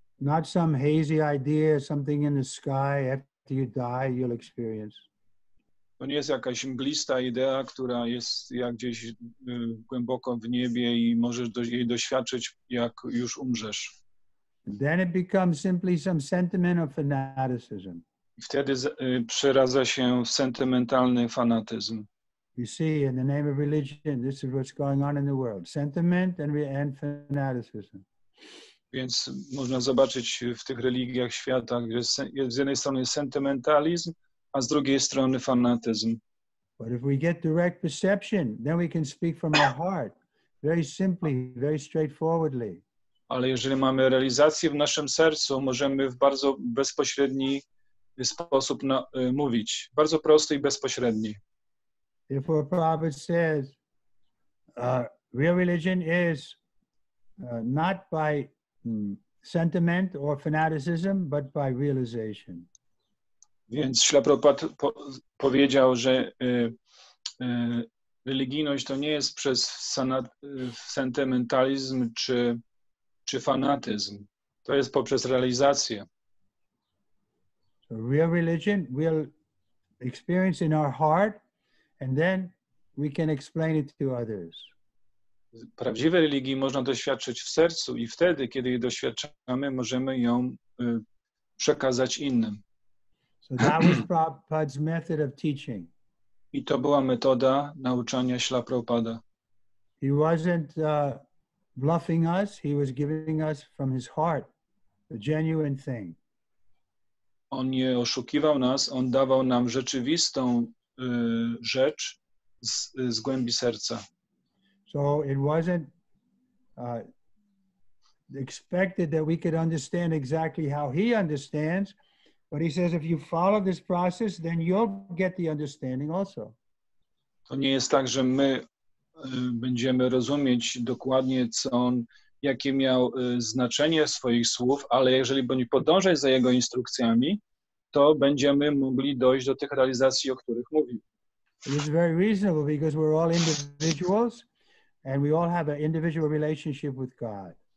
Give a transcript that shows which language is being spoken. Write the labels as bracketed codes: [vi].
[en] Not some hazy idea, something in the sky, after you die, you'll experience. [pl] To nie jest jakaś mglista idea, która jest jak gdzieś głęboko w niebie i możesz jej doświadczyć, jak już umrzesz. [en] Then it becomes simply some sentiment of fanaticism. [pl] Wtedy przeradza się w sentymentalny fanatyzm. [en] You see, in the name of religion, this is what's going on in the world. Sentiment and fanaticism. [pl] Więc można zobaczyć w tych religiach świata, że z jednej strony sentymentalizm, a z drugiej strony fanatyzm. [en] But if we get direct perception, then we can speak from our heart, very simply, very straightforwardly. [pl] Ale jeżeli mamy realizację w naszym sercu, możemy w bardzo bezpośredni sposób mówić, bardzo prosty i bezpośredni. [en] If our prophet says, real religion is not by sentiment or fanaticism, but by realization. [pl] Więc Śla Prabhupada powiedział, że religijność to nie jest przez sentymentalizm czy fanatyzm. To jest poprzez realizację. [en] So real religion we'll experience in our heart and then we can explain it to others. [pl] Prawdziwe religii można doświadczyć w sercu i wtedy, kiedy je doświadczamy, możemy ją przekazać innym. [en] So that was Prabhupada's method of teaching. [pl] I to była metoda nauczania Śla Prabhupada. [en] He wasn't bluffing us, he was giving us from his heart the genuine thing. [pl] On nie oszukiwał nas, on dawał nam rzeczywistą rzecz z głębi serca. [en] So it wasn't expected that we could understand exactly how he understands, but he says if you follow this process, then you'll get the understanding also. [pl] To nie jest tak, że my będziemy rozumieć dokładnie, co on, jakie miał znaczenie swoich słów, ale jeżeli będziemy podążać za jego instrukcjami, to będziemy mogli dojść do tych realizacji, o których mówił. [en] It is very reasonable because we're all individuals and we all have an individual relationship with God.